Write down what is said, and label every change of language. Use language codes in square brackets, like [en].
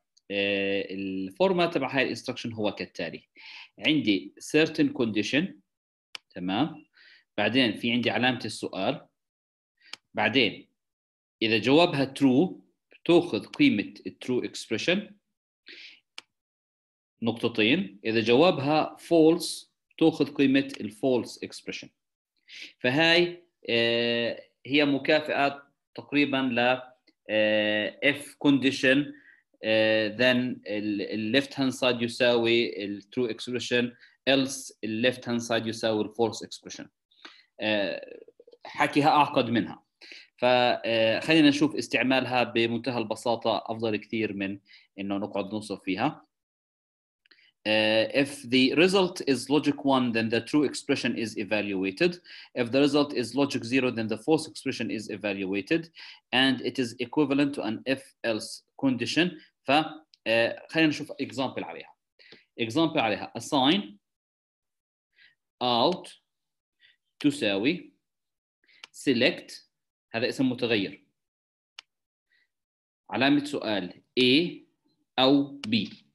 [ar] فالفورمات تبع هاي الإنستركشن هو كالتالي: عندي [en] certain condition، [ar] تمام، بعدين في عندي علامة السؤال، بعدين إذا جوابها true بتأخذ قيمة [en] true expression [ar] نقطتين، إذا جوابها false تأخذ قيمة [en] false expression. [ar] فهاي هي مكافئات تقريبا ل [en] if condition then left hand side [ar] يساوي [en] true expression else left hand side [ar] يساوي [en] false expression. [ar] حكيها أعقد منها، فخلينا نشوف استعمالها بمنتهى البساطة أفضل كثير من إنه نقعد نوصف فيها. [en] If the result is logic 1, then the true expression is evaluated. If the result is logic 0, then the false expression is evaluated. And it is equivalent to an if-else condition. [ar] فخلينا نشوف example عليها. Example عليها: [en] assign out [ar] تساوي select، هذا اسم متغير، علامة سؤال A أو B.